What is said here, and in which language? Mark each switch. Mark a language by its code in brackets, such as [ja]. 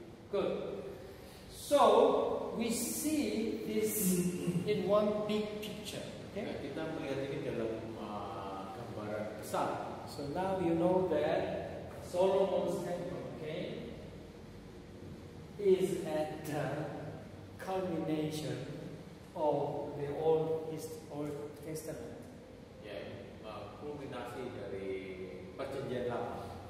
[en] Good. So we see this in one big picture. [id] Kita melihat ini dalam gambaran besar. [en] So now you know that Solomon's temple, is at the culmination of the Old Testament. [id] Yeah, kulminasi dari perjanjian lama.